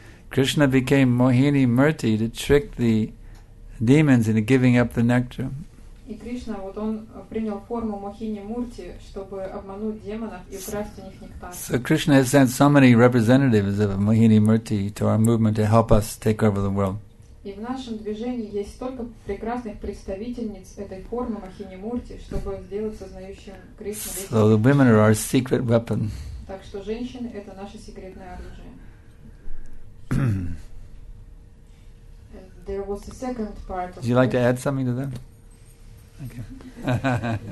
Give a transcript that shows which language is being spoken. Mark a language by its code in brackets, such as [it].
[en] Krishna became Mohini Murti to trick the demons into giving up the nectar. [ru] И Кришна, вот он принял форму Мохини Мурти, чтобы обмануть демонов и украсть у них нектар. [en] So Krishna has sent so many representatives of Mohini Murti to our movement to help us take over the world. [ru] И в нашем движении есть столько прекрасных представительниц этой формы Мохини Мурти, чтобы сделать сознающим Кришну. [en] So the women are our secret weapon. [ru] Так что женщины – это наше секретное оружие. [en] There was a second part. Would you like to add something to that?